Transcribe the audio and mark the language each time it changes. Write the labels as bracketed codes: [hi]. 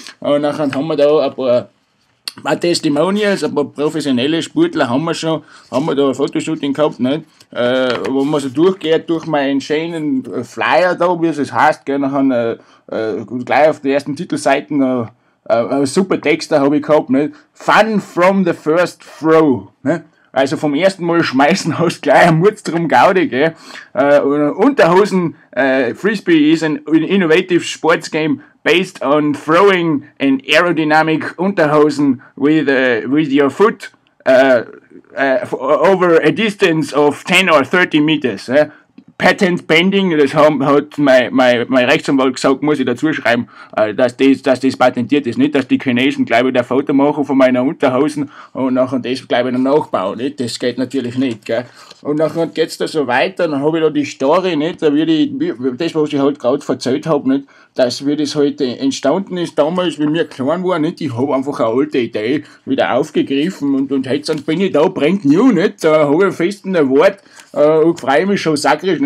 [de] Und nachher haben wir da ein paar Testimonials, ein paar professionelle Sportler haben wir schon, haben wir da ein Fotoshooting gehabt, nicht? Wenn man so durchgeht durch meinen schönen Flyer da, wie es heißt, gell, nachher, gleich auf den ersten Titelseiten, super Texte habe ich gehabt, nicht? [en] Fun from the first throw, ne? [de] Also vom ersten Mal schmeißen hast du gleich einen Murz drum Gaudi, gell? [en] Unterhosen Frisbee is an innovative sports game based on throwing an aerodynamic Unterhosen with your foot over a distance of 10 or 30 meters. Patent pending, [de] das hat mein Rechtsanwalt gesagt, muss ich dazu schreiben, dass das patentiert ist, nicht, dass die Chinesen gleich wieder ein Foto machen von meiner Unterhosen und nachher das gleich wieder nachbauen, nicht, das geht natürlich nicht, gell. Und nachher geht's da so weiter, dann habe ich da die Story, nicht, da würde ich, das, was ich halt gerade erzählt habe, nicht, dass wie das halt entstanden ist, damals, wie mir klein war, nicht, ich habe einfach eine alte Idee wieder aufgegriffen und jetzt dann bin ich da, [en] brand new, [de] nicht, da habe ich fest ein Wort, und freue mich schon sakrisch.